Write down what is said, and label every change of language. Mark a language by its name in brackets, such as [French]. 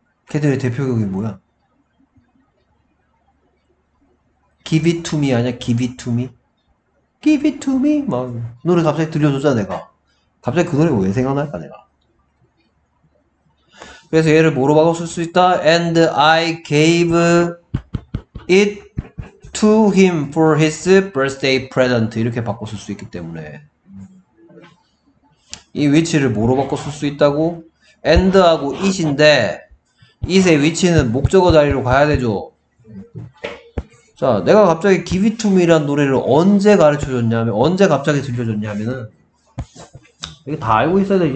[Korean] 걔들의 대표곡이 뭐야? [English] Give it to me [Korean] 아니야? [English] Give it to me? Give it to me? [Korean] 막, 노래 갑자기 들려줬잖아, 내가. 갑자기 그 노래가 왜 생각날까, 내가. 그래서 얘를 뭐로 바꿨을 수 있다? [English] And I gave it to him for his birthday present. [Korean] 이렇게 바꿨을 수 있기 때문에. 이 위치를 뭐로 바꿨을 수 있다고? and하고 it인데 it의 위치는 목적어 자리로 가야 되죠. 자, 내가 갑자기 Give It To Me란 노래를 언제 가르쳐줬냐면 언제 갑자기 들려줬냐면은 이게 다 알고 있어야 돼.